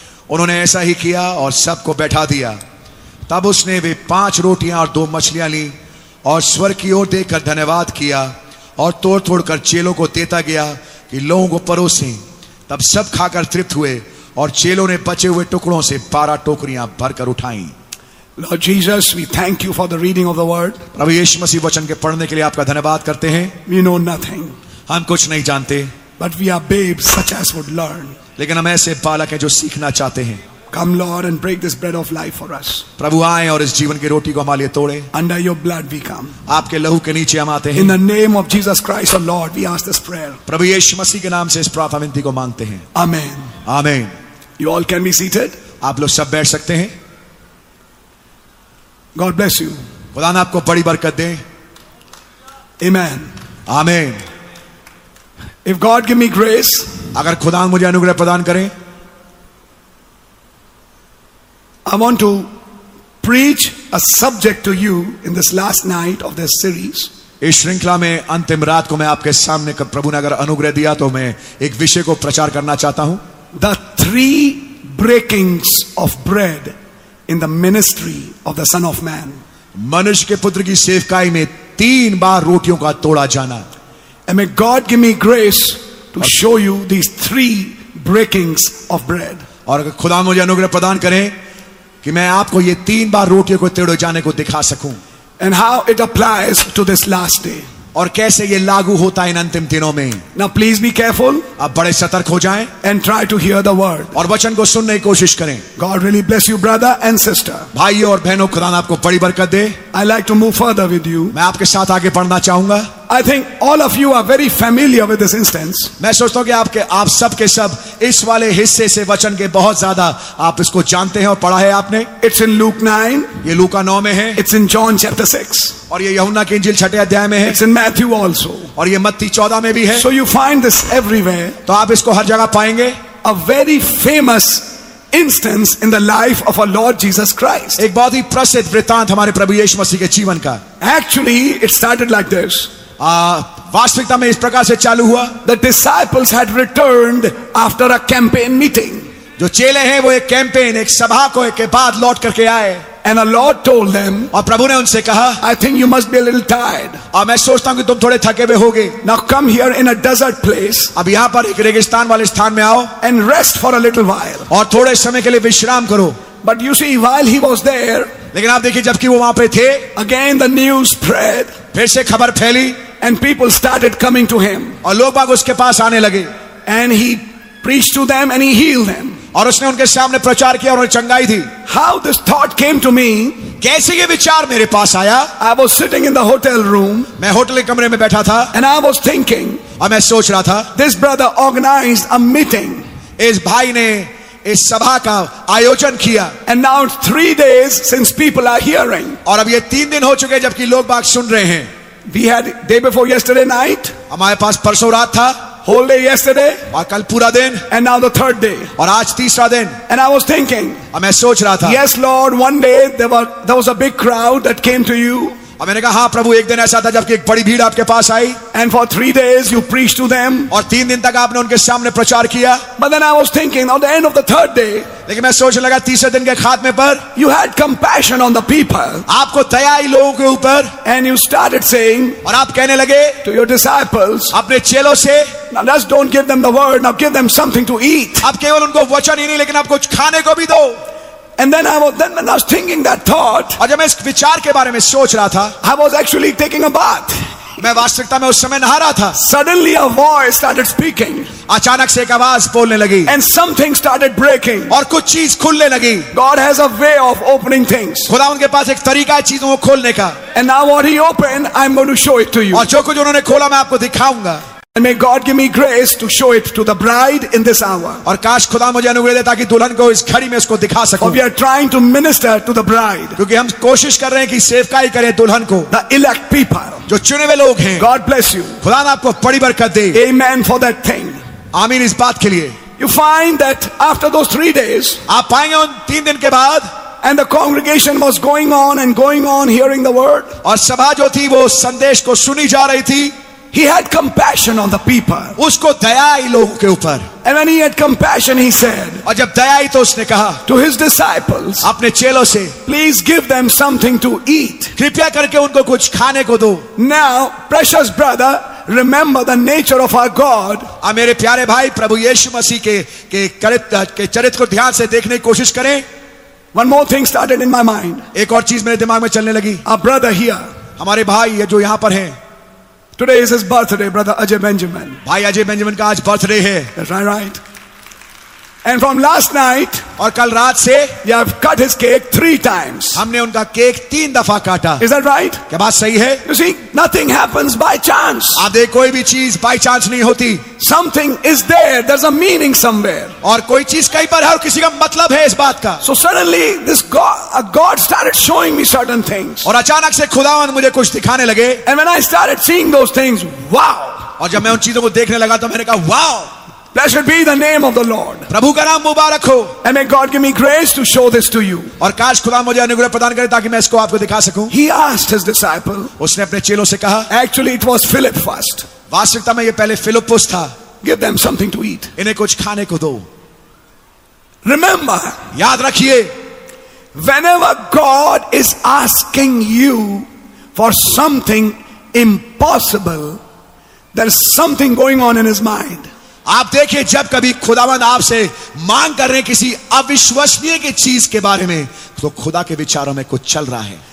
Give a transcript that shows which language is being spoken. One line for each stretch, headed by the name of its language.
Hindi: उन्होंने ऐसा ही किया और सबको बैठा दिया. तब उसने वे 5 रोटियां और 2 मछलियां ली और स्वर्ग की ओर देखकर धन्यवाद किया और तोड़ तोड़ कर चेलों को देता गया कि लोगों को परोसें. तब सब खाकर तृप्त हुए और चेलों ने बचे हुए टुकड़ों से 12 टोकरियां भरकर उठाई.
English: Lord Jesus, we thank you for the reading of the word.
Hindi: प्रभु यीशु मसीह वचन के पढ़ने के लिए आपका धन्यवाद करते हैं.
English: We know nothing.
Hindi: हम कुछ नहीं जानते.
English: But we are babes such as would learn.
Hindi: लेकिन हम ऐसे बालक हैं जो सीखना चाहते हैं.
English: Come Lord and break this bread of life for us.
Hindi: प्रभु आए और इस जीवन की रोटी को हमारे लिए तोड़े.
English: Under your blood we come.
Hindi: आपके लहू के नीचे हम आते हैं.
English: In the name of Jesus Christ our Lord we ask this prayer.
Hindi: प्रभु यीशु मसीह के नाम से इस प्रार्थना विनती को मांगते हैं.
English: Amen. Amen. You all can be seated.
Hindi: आप लोग सब बैठ सकते हैं.
English: God bless you.
Hindi: खुदा ने आपको बड़ी बरकत दे.
English: Amen. Amen. If God give me grace,
Hindi: अगर खुदा मुझे अनुग्रह प्रदान करें,
English: I want to preach a subject to you in this last night of this series.
Hindi: इस श्रृंखला में अंतिम रात को मैं आपके सामने प्रभु ने अगर अनुग्रह दिया तो मैं एक विषय को प्रचार करना चाहता हूं.
English: The 3 breakings of bread in the ministry of the Son of Man.
Hindi: मनुष्य के पुत्र की सेवकाई में तीन बार रोटियों का तोड़ा जाना.
English: And may God give me grace to show you these three breakings of bread.
Hindi: और खुदा मुझे अनुग्रह प्रदान करें कि मैं आपको ये तीन बार रोटियों को तोड़े जाने को दिखा सकूं.
English: And how it applies to this last day.
Hindi: और कैसे ये लागू होता है इन अंतिम दिनों में.
English: Now please be careful.
Hindi: आप बड़े सतर्क हो जाएं.
English: And try to hear the word.
Hindi: और वचन को सुनने की कोशिश करें.
English: God really bless you, brother and sister.
Hindi: भाइयों और बहनों, खुदा आपको बड़ी बरकत दे.
English: I like to move further with you.
Hindi: मैं आपके साथ आगे बढ़ना चाहूंगा.
English: I think all of you are very familiar with this instance.
Hindi: मैं सोचता हूं कि आपके आप सब के सब इस वाले हिस्से से वचन के बहुत ज्यादा आप इसको जानते हैं और पढ़ा है आपने.
English: It's in Luke 9.
Hindi: ये लूका 9 में है.
English: It's in John chapter 6.
Hindi: और ये यूहन्ना की इंजील छठे अध्याय में है.
English: It's in Matthew also.
Hindi: और ये मत्ती 14 में भी है.
English: So you find this everywhere.
Hindi: तो आप इसको हर जगह पाएंगे.
English: A very famous instance in the life of our Lord Jesus Christ.
Hindi: एक बहुत ही प्रसिद्ध वृत्तांत हमारे प्रभु यीशु मसीह के जीवन का.
English: Actually it started like this.
Hindi: वास्तविकता में इस प्रकार से चालू हुआ.
English: The disciples had returned after a campaign meeting.
Hindi: जो चेले हैं वो एक कैंपेन, एक सभा को एक के बाद लौट करके आए.
English: And the Lord told them.
Hindi: और प्रभु ने उनसे कहा.
English: I think you must be a little tired.
Hindi: और मैं सोचता हूँ कि तुम थोड़े थके हुए होगे.
English: Now come here in a desert place.
Hindi: अब यहाँ पर एक रेगिस्तान वाले स्थान में आओ.
English: And rest for a little while.
Hindi: और थोड़े समय के लिए विश्राम करो.
English: But you see, while he was there.
Hindi: लेकिन आप देखिए जबकि वो वहाँ पे थे.
English: Again the news spread.
Hindi: फिर से खबर फैली.
English: And people started coming to him.
Hindi: और लोग बाग उसके पास आने लगे.
English: And he preached to them and he healed them.
Hindi: और उसने उनके सामने प्रचार किया और उन्हें चंगाई दी.
English: How this thought came to me?
Hindi: कैसे ये विचार मेरे पास आया?
English: I was sitting in the hotel room.
Hindi: मैं होटल के कमरे में बैठा था.
English: And I was thinking.
Hindi: और मैं सोच रहा था.
English: This brother organized a meeting.
Hindi: इस भाई ने इस सभा का आयोजन किया.
English: And now it's 3 days since people are hearing.
Hindi: और अब ये 3 दिन हो चुके हैं जबकि लोग बाग सुन रहे हैं.
English: We had day before yesterday night.
Hindi: हमारे पास परसों रात था.
English: Whole day yesterday.
Hindi: और कल पूरा दिन.
English: And now the third day.
Hindi: और आज तीसरा दिन.
English: And I was thinking.
Hindi: और मैं सोच रहा था.
English: Yes, Lord. One day there was a big crowd that came to you.
Hindi: और मैंने कहा हाँ प्रभु, एक दिन ऐसा था जबकि एक बड़ी भीड़ आपके पास आई.
English: And for 3 days you preached to them.
Hindi: और 3 दिन तक आपने उनके सामने प्रचार किया.
English: But then I was thinking on the end of the third day.
Hindi: लेकिन मैं सोचने लगा तीसरे दिन के खात्मे पर.
English: You had compassion on the people.
Hindi: आपको दया आई लोगों के ऊपर.
English: And you started saying.
Hindi: और आप कहने लगे.
English: To your disciples.
Hindi: अपने चेलों से.
English: Now just don't give them the word. Now give them something to eat.
Hindi: आप केवल उनको वचन ही नहीं लेकिन आप कुछ खाने को भी दो.
English: And then I was thinking that thought.
Hindi: और जब मैं इस विचार के बारे में सोच रहा था.
English: I was actually taking a bath.
Hindi: मैं वास्तविकता में उस समय नहा रहा था.
English: Suddenly a voice started speaking.
Hindi: अचानक से एक आवाज बोलने लगी.
English: And something started breaking.
Hindi: और कुछ चीज खुलने लगी.
English: God has a way of opening things.
Hindi: खुदा उनके पास एक तरीका है चीजों को खोलने का.
English: And now what he opened, I'm going to show it to you.
Hindi: और जो कुछ उन्होंने खोला मैं आपको दिखाऊंगा.
English: And may God give me grace to show it to the bride in this hour.
Hindi: और काश खुदा मुझे अनुग्रह दे ताकि दुल्हन को इस घड़ी में उसको दिखा सकूं.
English: We are trying to minister to the bride.
Hindi: क्योंकि हम कोशिश कर रहे हैं कि सेवकाई करें दुल्हन को.
English: The elect people.
Hindi: जो चुने हुए लोग हैं.
English: God bless you.
Hindi: खुदा आपको बड़ी बरकत दे.
English: Amen for that thing.
Hindi: आमीन इस बात के लिए.
English: You find that after those 3 days.
Hindi: आप पाएंगे उन 3 दिन के बाद.
English: And the congregation was going on hearing the word.
Hindi: और सभा जो थी वो संदेश को सुनी जा रही थी.
English: He had compassion on the people.
Hindi: उसको दया आई लोगों के ऊपर.
English: And when he had compassion, he said.
Hindi: और जब दया आई तो उसने कहा.
English: To his disciples.
Hindi: अपने चेलों से.
English: Please give them something to eat.
Hindi: कृपया करके उनको कुछ खाने को दो.
English: Now, precious brother, remember the nature of our God.
Hindi: आ मेरे प्यारे भाई, प्रभु यीशु मसीह के चरित्र को ध्यान से देखने की कोशिश करें.
English: One more thing started in my mind.
Hindi: एक और चीज मेरे दिमाग में चलने लगी.
English: Our brother here.
Hindi: हमारे भाई ये जो यहाँ पर हैं.
English: Today is his birthday, brother Ajay Benjamin.
Hindi: भाई अजय बेंजामिन का आज बर्थडे है.
English: That's right, right. And from last night,
Hindi: और कल रात से,
English: we have cut his cake 3 times.
Hindi: हमने उनका केक 3 दफा काटा.
English: Is that right?
Hindi: क्या बात सही है?
English: You see, nothing happens by chance.
Hindi: आप देख कोई भी चीज
English: by chance
Hindi: नहीं होती.
English: Something is there. There's a meaning somewhere.
Hindi: और कोई चीज कहीं पर है और किसी का मतलब है इस बात का.
English: So suddenly this God started showing me certain things.
Hindi: और अचानक से खुदावन मुझे कुछ दिखाने लगे.
English: And when I started seeing those things, wow.
Hindi: और जब मैं उन चीजों को देखने लगा तो मैंने कहा wow.
English: Blessed be the name of the Lord.
Hindi: प्रभु का नाम मुबारक हो.
English: And may God give me grace to show this to you.
Hindi: और काश खुदा मुझे अनुग्रह प्रदान करे ताकि मैं इसको आपको दिखा सकूं.
English: He asked his disciple.
Hindi: उसने अपने चेलों से कहा.
English: Actually, it was Philip first.
Hindi: वास्तविकता में ये पहले फिलिपुस था.
English: Give them something to eat.
Hindi: इन्हें कुछ खाने को दो.
English: Remember.
Hindi: याद रखिए.
English: Whenever God is asking you for something, impossible, there's something going on in his mind.
Hindi: आप देखिए जब कभी खुदावंद आपसे मांग कर रहे हैं किसी अविश्वसनीय की चीज के बारे में तो खुदा के विचारों में कुछ चल रहा है.